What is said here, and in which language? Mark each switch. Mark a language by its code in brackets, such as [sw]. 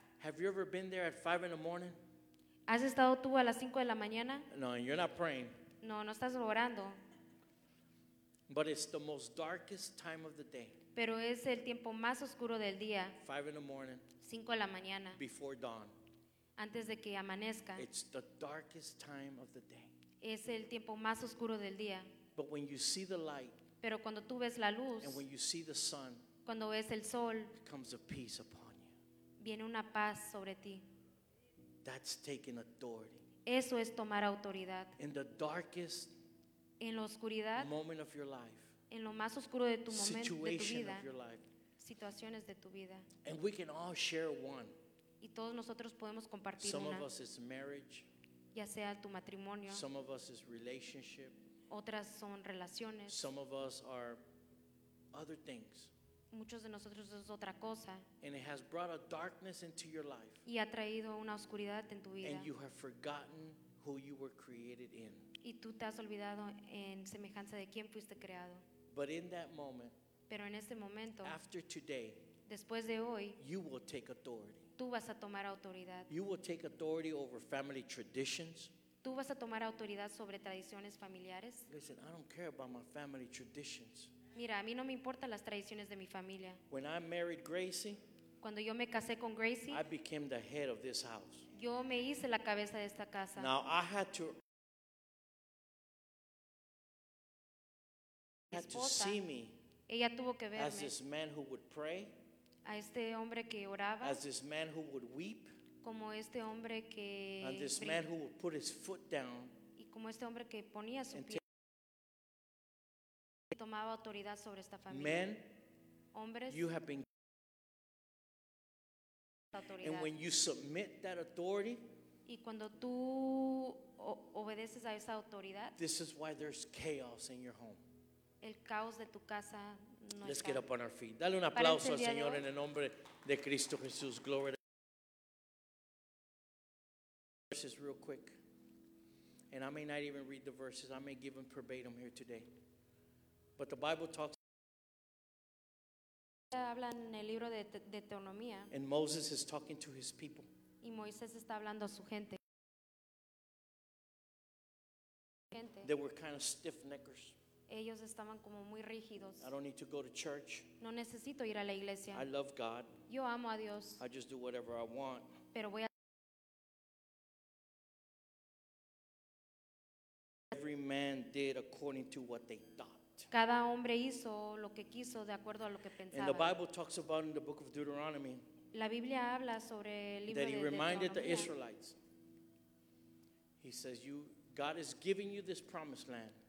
[en] Have you ever been there at 5 in the morning? [es] ¿Has estado tú a las 5 de la mañana? [en] No, and you're not praying. [es] No, no estás orando. [en] But it's the most darkest time of the day. [es] Pero es el tiempo más oscuro del día. [en] 5 in the morning. [es] 5 de la mañana. [en] Before dawn. [es] Antes de que amanezca. [en] It's the darkest time of the day. [es] Es el tiempo más oscuro del día. [en] But when you see the light. [es] Pero cuando tú ves la luz. [en] And when you see the sun. [es] Cuando ves el sol. [en] Comes a peace upon you. [es] Viene una paz sobre ti. [en] That's taking authority. [es] Eso es tomar autoridad. [en] In the darkest. [es] En la oscuridad. [en] Moment of your life. [es] En lo más oscuro de tu momento, de tu vida, [en] of your life. [es] Situaciones de tu vida. [en] And we can all share one. [es] Y todos nosotros podemos compartir [en] some [es] una. [en] Of us is marriage. [es] Ya sea tu matrimonio. [en] Some of us is relationship. [es] Otras son relaciones. [en] Some of us are other things. [es] Muchos de nosotros es otra cosa. [en] And it has brought a darkness into your life. [es] Y ha traído una oscuridad en tu vida. [en] And you have forgotten who you were created in. [es] Y tú te has olvidado en semejanza de quién fuiste creado. [en] But in that moment, [es] pero en ese momento, [en] after today, [es] después de hoy, [en] you will take authority. [es] Tú vas a tomar autoridad. [en] You will take authority over family traditions. [es] Tú vas a tomar autoridad sobre tradiciones familiares. [en] Listen, I don't care about my family traditions. [es] Mira, a mí no me importan las tradiciones de mi familia. [en] When I married Gracie, [es] cuando yo me casé con Gracie, [en] I became the head of this house. [es] Yo me hice la cabeza de esta casa. [en] Now I had to. Had to see me [es] ella tuvo que verme, [en] as this man who would pray, [es] a este hombre que oraba, [en] as this man who would weep, [es] como este hombre que [en] and this man who would put his foot down, [es] y como este hombre que ponía su pie, y tomaba autoridad sobre esta familia. [en] Men, [es] hombres, [en] you have been [es] autoridad. [en] And when you submit that authority, [es] Y cuando tú obedeces a esa autoridad, [en] this is why there's chaos in your home. [es] El caos de tu casa no [en] Let's get up on our feet. [es] Dale un aplauso al Señor en el nombre de Cristo Jesús. [en] Glory to God. Verses real quick. And I may not even read the verses. I may give them verbatim here today. But the Bible talks and Moses is talking to his people. [es] Y Moisés está hablando a su gente. [en] They were kind of stiff-neckers. [es] Ellos estaban como muy rígidos. [en] I don't need to go to church. [es] No necesito ir a la iglesia. [en] I love God. [es] Yo amo a Dios. [en] I just do whatever I want. [es] Pero voy a [en] Every man did according to what they thought. [es] Cada hombre hizo lo que quiso de acuerdo a lo que pensaba. [en] And the Bible talks about in the book of Deuteronomy. [es] La Biblia habla sobre el libro de Deuteronomio. [en] That he reminded the Israelites. He says, "You, God is giving you this promised land."